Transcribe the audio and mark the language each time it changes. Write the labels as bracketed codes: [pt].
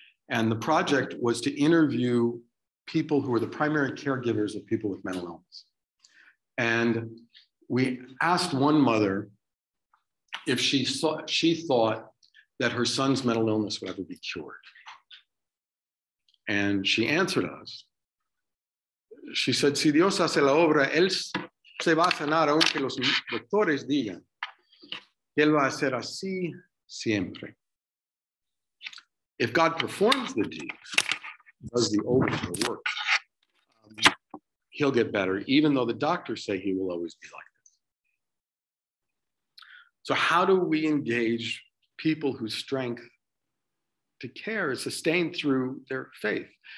[en] And the project was to interview people who were the primary caregivers of people with mental illness. And we asked one mother if she thought that her son's mental illness would ever be cured. And she answered us. [es] She said, si Dios hace la obra, él se va a sanar aunque los doctores digan que él va a hacer así siempre. [en] If God performs the deed, does the overture work, he'll get better, even though the doctors say he will always be like this. So how do we engage people whose strength to care is sustained through their faith?